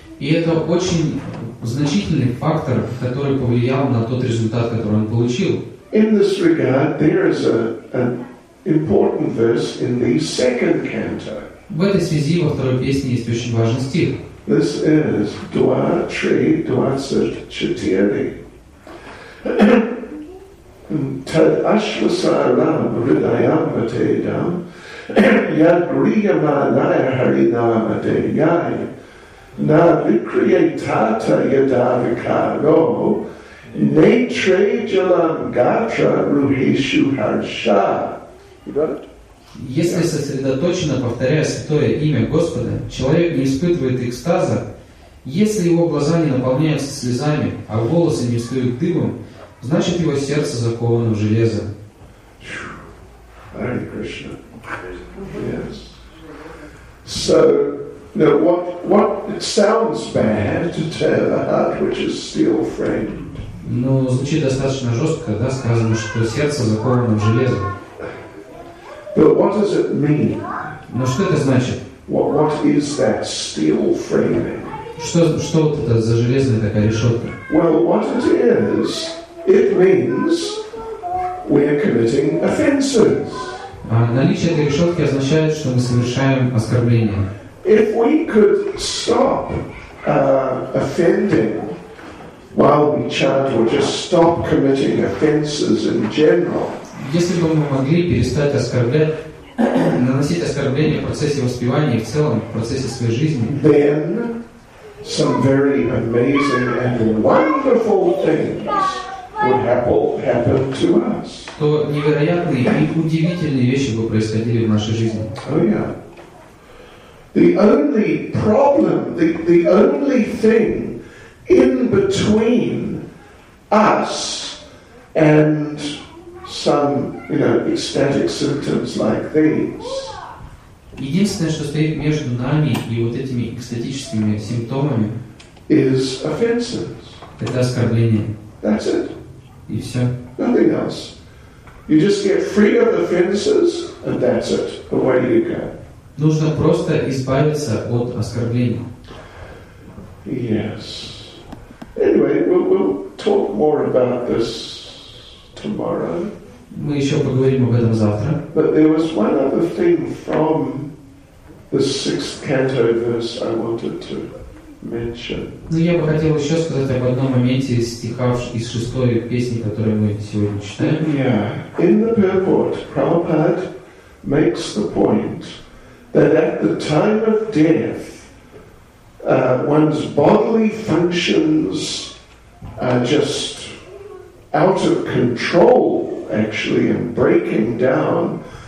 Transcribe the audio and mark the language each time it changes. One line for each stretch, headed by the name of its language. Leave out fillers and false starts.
Russian: И это очень значительный фактор, который повлиял на тот результат, который он получил.
English: In this regard, there is an important verse in the second canto.
Russian: В этой связи во второй песне есть очень важный стих.
English: This is
Russian: Dwa Tri Dwadsat Chitiri.
Sanskrit: Tad Ashvasaram Hridayam Vate Dham Yad Riyamanaya Harinamade Yai Na Vikriyatata Yadavikaro Ne Tre Jalam Gatra Ruhishu Harsha.
English: You got it?
Russian: Если сосредоточенно повторяя святое имя Господа, человек не испытывает экстаза, Если его глаза не наполняются слезами, а волосы не встают дыбом, значит его сердце заковано в железо.
English: Hare Krishna. Yes. So, now what it sounds bad to tear the heart which is steel framed.
Russian: Ну, звучит достаточно жестко, когда сказано, что сердце заковано в железо.
English: But what does it mean?
Russian: Но что это значит?
English: What is that steel framing?
Russian: Что вот это за железная такая решетка?
English: Well, what it is, it means we're committing offenses.
Russian: А наличие этой решетки означает, что мы совершаем оскорбление.
English: If we could stop offending while we chant, or just stop committing offenses in general.
Russian: Если бы мы могли перестать оскорблять, наносить оскорбления в процессе воспевания и в целом в процессе своей жизни,
English: then some very amazing and wonderful things would happen to us.
Russian: То невероятные и удивительные вещи бы происходили в нашей жизни.
English: Oh yeah. The only problem, the only thing in between us and some, you know, ecstatic symptoms like these.
Russian: Единственное, что стоит между нами и вот этими экстатическими симптомами,
English: is offenses.
Russian: Это оскорбление.
English: That's it.
Russian: И все.
English: Nothing else. You just get free of offenses, and that's it. Away you go.
Russian: Нужно просто избавиться от оскорблений.
English: Yes. Anyway, we'll talk more about this tomorrow.
Russian: Мы еще поговорим об этом завтра.
English: But there was one other thing from the sixth canto verse I wanted to mention.
Russian: Но я бы хотел еще сказать об одном моменте из стиха из шестой песни, которую мы сегодня читаем.
English: Yeah. In the purport, Prabhupada makes the point that at the time of death, one's bodily functions are just out of control, actually, and breaking down.